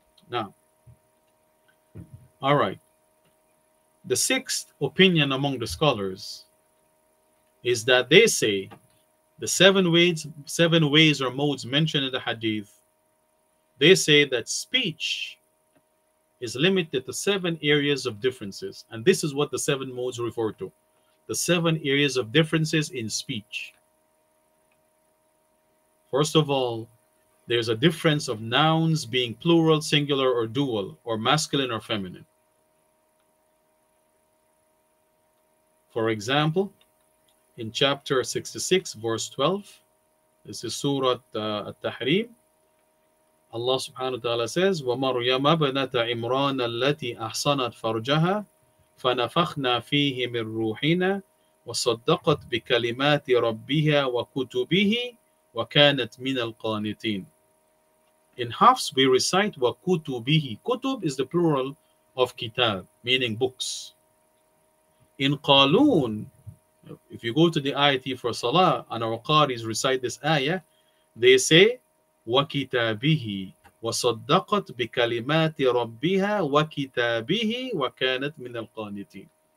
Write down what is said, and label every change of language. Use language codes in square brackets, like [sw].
[en] Now, all right. The sixth opinion among the scholars is that they say the seven ways or modes mentioned in the hadith, they say that speech is limited to seven areas of differences, and this is what the seven modes refer to. The seven areas of differences in speech. First of all, there's a difference of nouns being plural, singular, or dual, or masculine or feminine. For example, in chapter 66, verse 12, this is Surah At-Tahrim, Allah subhanahu wa ta'ala says, [ar] وَمَرْيَمَ بَنَتَ عِمْرَانَ الَّتِي أَحْصَنَتْ فَرْجَهَا فَنَفَخْنَا فِيهِ مِنْ رُوحِنَا وَصَدَّقَتْ بِكَلِمَاتِ رَبِّهَا وَكُتُبِهِ وَكَانَتْ مِنَ الْقَانِتِينَ. [en] In Hafs, we recite وَكُتُبِهِ. Kutub is the plural of kitab, meaning books. In Qalun, if you go to the ayat for Salah, and our Qaris recite this ayah, they say [ar] وَكِتَابِهِ وَصَدَّقَتْ بِكَلِمَاتِ رَبِّهَا وَكِتَابِهِ وَكَانَتْ مِنَ الْقَانِتِينَ.